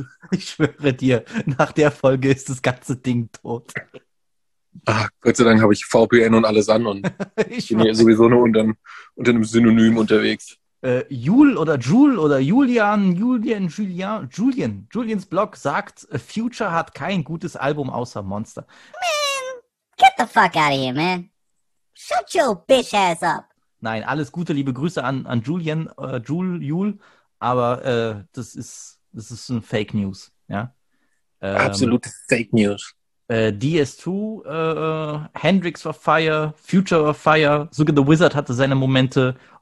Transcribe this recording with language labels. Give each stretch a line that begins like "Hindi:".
German: Ich schwöre dir, nach der Folge ist das ganze Ding tot. Ach, Gott sei Dank habe ich VPN und alles an und ich bin hier sowieso nur unter einem Synonym unterwegs. Jul oder Jul oder Julian. Julians Blog sagt, Future hat kein gutes Album außer Monster.
English: Man, get the fuck out of here, man. Shut your bitch ass up.
German: Nein, alles Gute, liebe Grüße an Julian, Jul. Aber das ist ein Fake News, ja. Absolute Fake News. DS2, Hendrix war fire, Future war fire, sogar The Wizard hatte seine Momente.